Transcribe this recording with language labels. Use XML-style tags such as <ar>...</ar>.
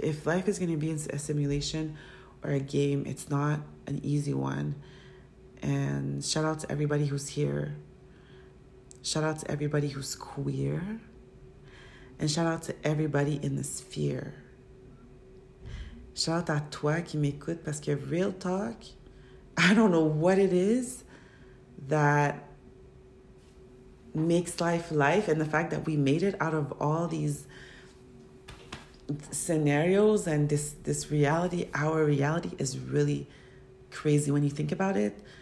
<en>If life is going to be a simulation or a game, it's not an easy one. And shout out to everybody who's here. Shout out to everybody who's queer. And shout out to everybody in the sphere. Shout out</en> <fr>à toi qui m'écoute parce que</fr> <en>real talk. I don't know what it is that makes life life, and the fact that we made it out of all these scenarios and this reality, our reality is really crazy when you think about it.</en>